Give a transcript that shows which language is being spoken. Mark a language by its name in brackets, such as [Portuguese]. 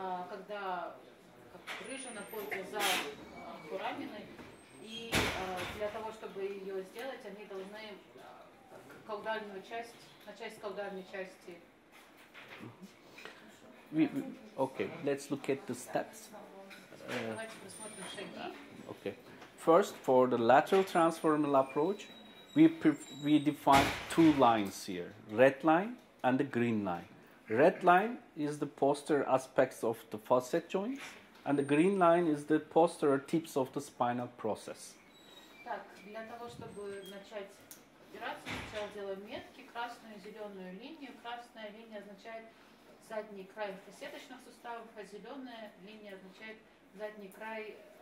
[Russian] Когда рыжа находится за фораменой, и для того, чтобы ее сделать, они должны каудальную часть, начать с каудальной части. [English] Okay, let's look at the steps. [Russian] Давайте посмотрим шаги. [English] Okay. First, for the lateral transformal approach, we define two lines here, red line and the green line. Red line is the posterior aspects of the facet joints, and the green line is the posterior tips of the spinal process. [Russian] Так, для того, чтобы начать операцию, сначала делаем метки, красную и зеленую линию. Красная линия означает задний край фасеточных суставов, а зеленая линия означает задний край